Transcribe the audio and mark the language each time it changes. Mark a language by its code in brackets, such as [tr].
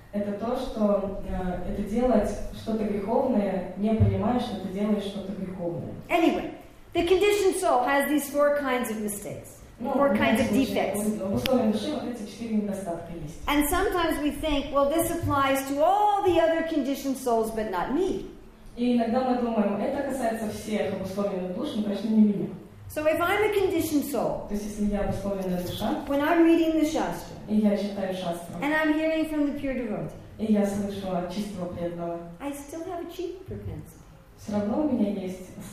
[ru] Это то, что это делать что-то греховное, не понимая, что ты делаешь что-то греховное. [en] Anyway, the conditioned soul has these four kinds of mistakes, four kinds of defects. [ru] В условии души вот эти четыре недостатка есть. [en] And sometimes we think, well, this applies to all the other conditioned souls, but not me. [ru] И иногда мы думаем, это касается всех обусловленных душ, но точно не меня. [en] So if I'm a conditioned soul, when I'm reading the Shastra, and I'm hearing from the pure devotee, I still have a cheating propensity.